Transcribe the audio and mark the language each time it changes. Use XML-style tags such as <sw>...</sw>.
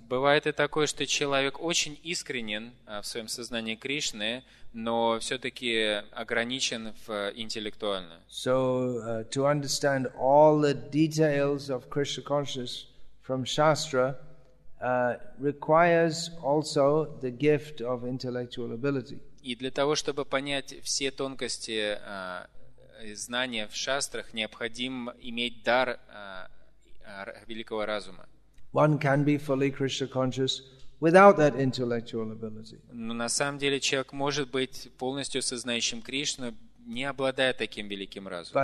<ru>Бывает и такое, что человек очень искренен в своем сознании Кришны, но все-таки ограничен в интеллектуально.</ru> <en>So to understand all the details of Krishna consciousness from Shastra requires also the gift of intellectual ability.</en> <ru>И для того, чтобы понять все тонкости знания в шастрах, необходим иметь дар великого разума.</ru> <en>One can be fully Krishna conscious without that intellectual ability.</en> <ru>Но на самом деле человек может быть полностью сознающим Кришну, не обладая таким великим разумом.</ru>